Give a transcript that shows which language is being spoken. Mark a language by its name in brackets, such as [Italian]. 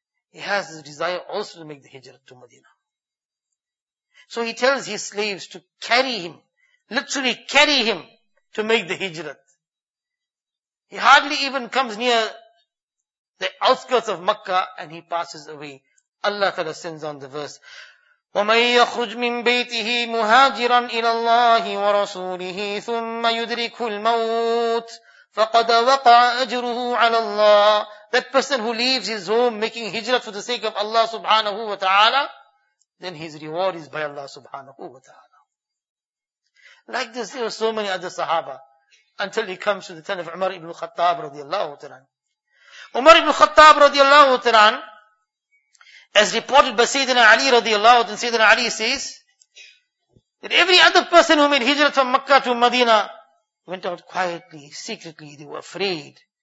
[English] He has the desire also to make the hijrah to Medina. So he tells his slaves to carry him, literally carry him to make the hijrah. He hardly even comes near the outskirts of Makkah and he passes away. Allah Ta'ala sends on the verse, [Arabic] وَمَنْ يَخْرُجْ مِنْ بَيْتِهِ مُهَاجِرًا إِلَى اللَّهِ وَرَسُولِهِ ثُمَّ يُدْرِكُ الْمَوْتِ فَقَدْ وَقَعَ أَجْرُهُ عَلَى اللَّهِ. [English] That person who leaves his home making hijrah for the sake of Allah subhanahu wa ta'ala, then his reward is by Allah subhanahu wa ta'ala. Like this, there are so many other sahaba, until he comes to the tent of Umar ibn Khattab radiallahu ta'ala. Umar ibn Khattab radiallahu ta'ala, as reported by Sayyidina Ali radiallahu ta'ala, Sayyidina Ali says, that every other person who made hijrah from Makkah to Medina, went out quietly, secretly, they were afraid.